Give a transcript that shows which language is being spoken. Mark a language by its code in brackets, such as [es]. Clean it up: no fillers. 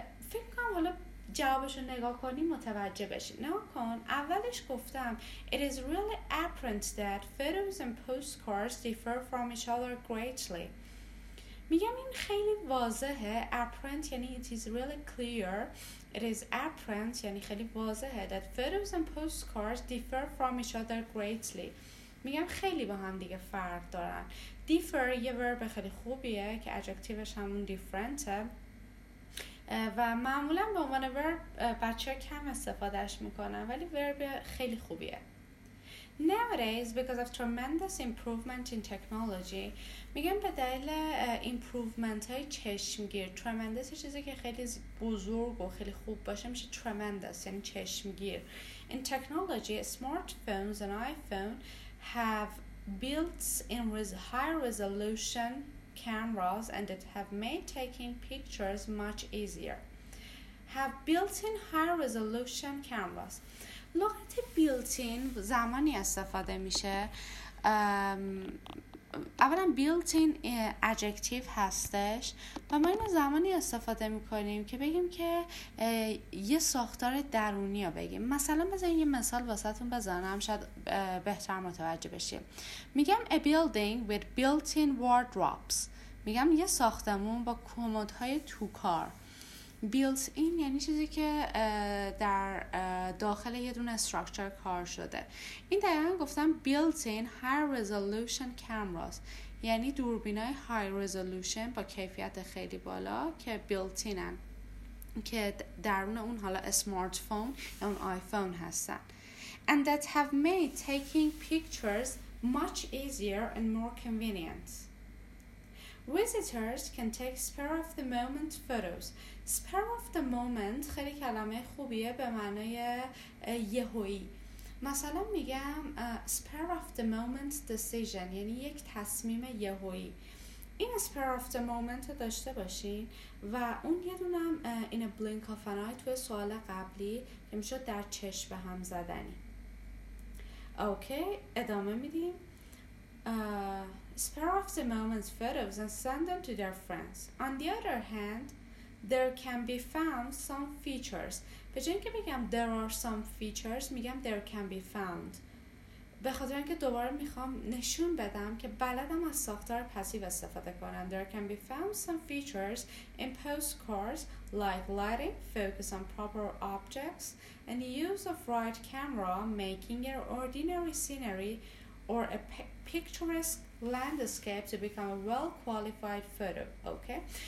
[fa] فکر کنم حالا جوابشو نگاه کنی متوجه بشی. نگاه کن، اولش گفتم [en] It is really apparent that photos and postcards differ from each other greatly. [fa] میگم این خیلی واضحه. apparent یعنی [en] it is really clear. [fa] it is apparent یعنی خیلی واضحه. [en] that photos and postcards differ from each other greatly. [fa] میگم خیلی با هم دیگه فرق دارن. differ یه ورب خیلی خوبیه که adjectiveش همون differente و معمولا به عنوان ورب بچه کم استفادهش میکنن، ولی ورب خیلی خوبیه. [en] Nowadays, because of tremendous improvement in technology, [fa] میگم به دلیل [en] improvement [fa] های چشمگیر. tremendous چیزی که خیلی بزرگ و خیلی خوب باشه میشه tremendous یعنی چشمگیر. [en] In technology, smartphones and iPhone have built-in high-resolution cameras and it have made taking pictures much easier. Have built-in high-resolution cameras. [fa] لغت بیلتین زمانی استفاده میشه، اولا بیلتین ادجکتیو هستش و ما اینو زمانی استفاده میکنیم که بگیم که یه ساختار درونی رو بگیم. مثلا بزنیم یه مثال واسهتون بزنم شاید بهتر متوجه بشیم. میگم [en] a building with built-in wardrobes. [fa] میگم یه ساختمون با کمدهای توکار. built in یعنی چیزی که در داخل یه دونه استراکچر کار شده. این دقیقا گفتم [en] built in high resolution cameras [fa] یعنی دوربینای های رزولوشن با کیفیت خیلی بالا که built in هن که درون اون حالا اسمارت فون یا اون آیفون هستن. [en] and that have made taking pictures much easier and more convenient. Visitors can take spur of the moment photos. [fa] Spur of the moment خیلی کلمه خوبیه به معنای یهویی. مثلا میگم [en] spur of the moment decision [fa] یعنی یک تصمیم یهویی. این spur of the moment رو داشته باشین و اون یه دونم [en] in a blink of an eye [fa] توی سوال قبلی که میشد در چشم هم زدنی. اوکی ادامه میدیم. [en] Spare off the moment's photos and send them to their friends. On the other hand, there can be found some features. [fa] به جای اینکه بگم [en] there are some features [fa] میگم [en] there can be found. [fa] به خاطر اینکه دوباره میخوام نشون بدم که بلدم از ساختار پسیو استفاده کنم. [en] There can be found some features in postcards like lighting, focus on proper objects and the use of right camera making an ordinary scenery or a picturesque landscape to become a well-qualified photo. Okay.